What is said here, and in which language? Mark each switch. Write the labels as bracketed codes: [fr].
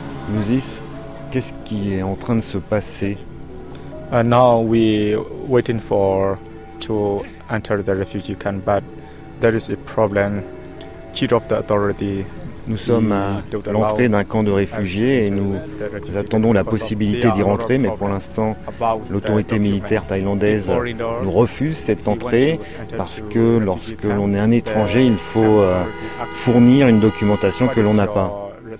[fr] Muzis, qu'est-ce qui est en train de se passer? [en] Now we waiting for to enter the refugee camp, but there is a problem. Chief of the authority. [fr] Nous sommes à l'entrée d'un camp de réfugiés et nous attendons la possibilité d'y rentrer, mais pour l'instant, l'autorité militaire thaïlandaise nous refuse cette entrée parce que lorsque l'on est un étranger, il faut fournir une documentation que l'on n'a pas.